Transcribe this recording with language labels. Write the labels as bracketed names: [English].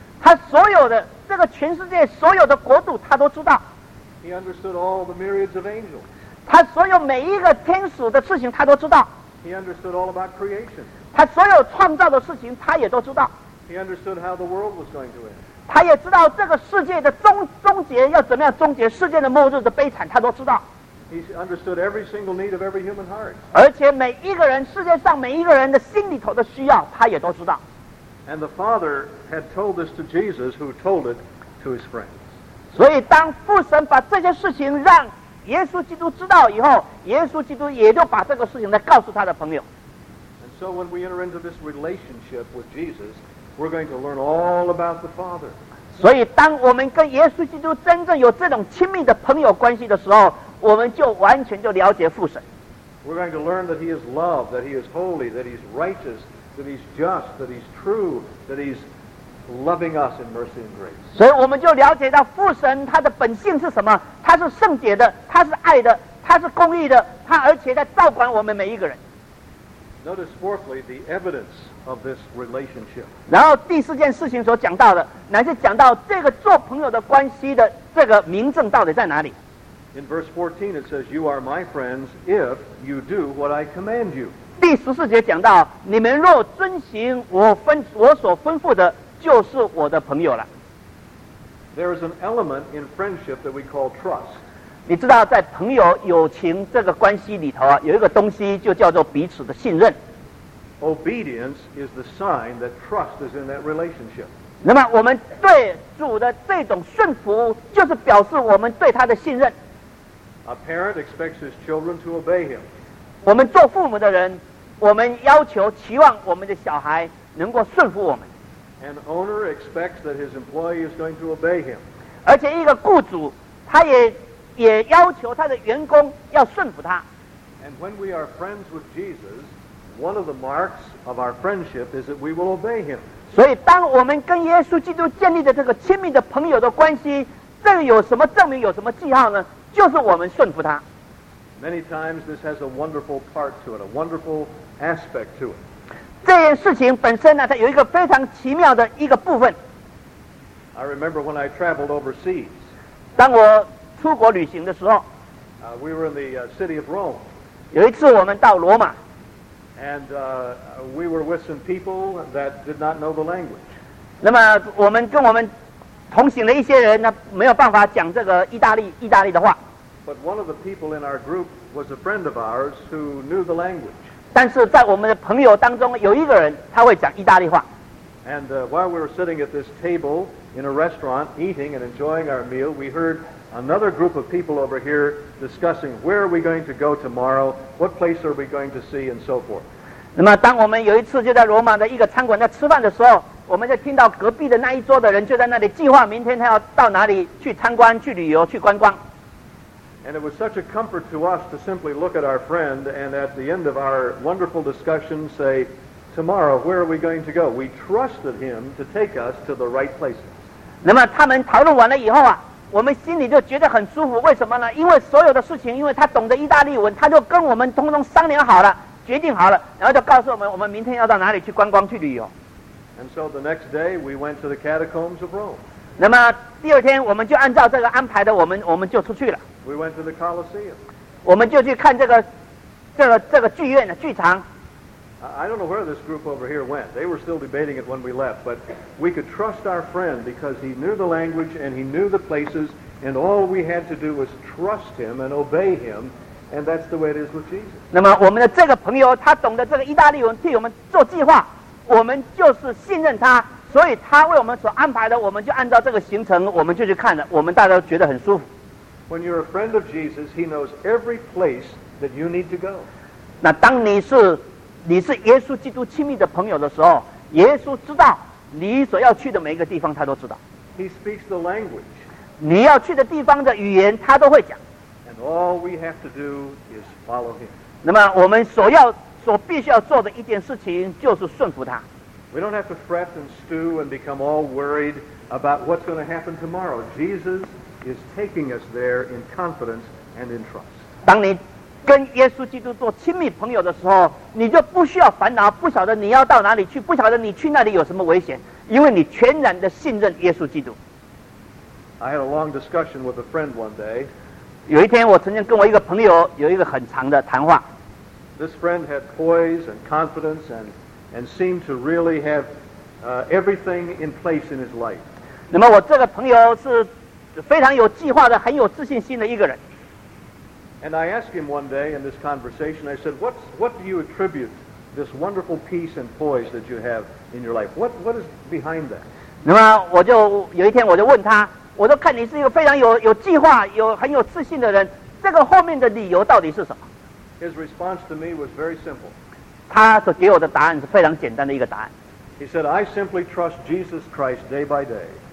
[Chinese] 他所有的这个全世界所有的国度他都知道。 [English] He understood all the myriads of angels. [Chinese] 他所有每一个天使的事情他都知道。 [English] He understood all about creation. [Chinese] 他所有创造的事情他也都知道。 [English] He understood how the world was going to end. [Chinese] 他也知道这个世界的终结要怎么样终结世界的末日的悲惨他都知道。 [English] He understood every single need of every human heart. [Chinese] 而且每一个人世界上每一个人的心里头的需要他也都知道。 [English] And the father had told this to Jesus, who told it to his friends. [Chinese] 所以当父神把这些事情让耶稣基督知道以后，耶稣基督也就把这个事情来告诉他的朋友。 [English] And so when we enter into this relationship with Jesus, we're going to learn all about the Father. [Chinese] 所以当我们跟耶稣基督真正有这种亲密的朋友关系的时候，我们就完全就了解父神。 [English] We're going to learn that he is love, that he is holy, that he's righteous, that he's just, that he's true, that he's loving us in mercy and grace. [Chinese] 所以我们就了解到父神他的本性是什么，他是圣洁的，他是爱的，他是公义的，他而且在照管我们每一个人。 [English] Notice fourthly the evidence of this relationship. [Chinese] 然后第四件事情所讲到的，乃是讲到这个做朋友的关系的这个明证到底在哪里。 [English] In verse 14, it says, "You are my friends if you do what I command you." [Chinese] 第十四节讲到，你们若遵行我所吩咐的，就是我的朋友了。 [English] There is an element in friendship that we call trust. [Chinese] 你知道，在朋友友情这个关系里头啊，有一个东西就叫做彼此的信任。 [English] Obedience is the sign that trust is in that relationship. [Chinese] 那么，我们对主的这种顺服，就是表示我们对他的信任。 [English] A parent expects his children to obey him. [Chinese] 我们做父母的人，我们要求、期望我们的小孩能够顺服我们。 [English] An owner expects that his employee is going to obey him. [Chinese] 而且一个雇主，他也要求他的员工要顺服他。 [English] And when we are friends with Jesus, one of the marks of our friendship is that we will obey him. [Chinese] 所以，当我们跟耶稣基督建立的这个亲密的朋友的关系，这有什么证明？有什么记号呢？就是我们顺服他。 [English] Many times this has a wonderful part to it, a wonderful aspect to it. [Chinese] 这件事情本身呢，它有一个非常奇妙的一个部分。 [English] I remember when I traveled overseas. [Chinese] 当我出国旅行的时候， [English] we were in the city of Rome. [Chinese] 有一次我们到罗马。 [English] And we were with some people that did not know the language. [Chinese] 那么我们跟我们同行的一些人呢，没有办法讲这个意大利的话。 [English] But one of the people in our group was a friend of ours who knew the language. [Chinese] 但是在我们的朋友当中，有一个人他会讲意大利话。 [English] And while we were sitting at this table in a restaurant eating and enjoying our meal, we heard another group of people over here discussing where are we going to go tomorrow, what place are we going to see, and so forth. [Chinese] 那么当我们有一次就在罗马的一个餐馆在吃饭的时候，我们就听到隔壁的那一桌的人就在那里计划明天他要到哪里去参观、去旅游、去观光。 [English] And it was such a comfort to us to simply look at our friend and at the end of our wonderful discussion say, "Tomorrow, where are we going to go?" We trusted him to take us to the right places. [Chinese] 那么他们讨论完了以后啊，我们心里就觉得很舒服。为什么呢？因为所有的事情，因为他懂得意大利文，他就跟我们通通商量好了、决定好了，然后就告诉我们，我们明天要到哪里去观光、去旅游。 [English] And so the next day, we went to the catacombs of Rome. [Chinese] 那么第二天我们就按照这个安排的，我们就出去了。 [English] We went to the Colosseum. [Chinese] 我们就去看这个剧院的剧场。 [English] I don't know where this group over here went. They were still debating it when we left. But we could trust our friend because he knew the language and he knew the places. And all we had to do was trust him and obey him. And that's the way it is with Jesus. [Chinese] 那么我们的这个朋友，他懂得这个意大利文，替我们做计划。我们就是信任他，所以他为我们所安排的，我们就按照这个行程，我们就去看了，我们大家都觉得很舒服。 [English] When you're a friend of Jesus, he knows every place that you need to go. [Chinese] 那当你是耶稣基督亲密的朋友的时候，耶稣知道你所要去的每一个地方，他都知道。 [English] He speaks the language. [Chinese] 你要去的地方的语言，他都会讲。 [English] And all we have to do is follow him. [Chinese] 那么我们所必须要做的一件事情就是顺服他。 [English] We don't have to fret and stew and become all worried about what's going to happen tomorrow. Jesus is taking us there in confidence and in trust. [Chinese] 当你跟耶稣基督做亲密朋友的时候，你就不需要烦恼，不晓得你要到哪里去，不晓得你去那里有什么危险，因为你全然的信任耶稣基督。 [English] I had a long discussion with a friend one day. [Chinese] 有一天我曾经跟我一个朋友有一个很长的谈话。 [English] This friend had poise and confidence and seemed to really have everything in place in his life. [Chinese] 那么我这个朋友是非常有计划的，很有自信心的一个人。 [English] And I asked him one day in this conversation, I said, what do you attribute this wonderful peace and poise that you have in your life? What is behind that? [Chinese] 那么我就有一天我就问他，我就看你是一个非常有计划，有很有自信的人，这个后面的理由到底是什么？ [English] His response to me was very simple. [Chinese] 他所给我的答案是非常简单的一个答案。 [English] He said, I simply trust Jesus Christ day by day.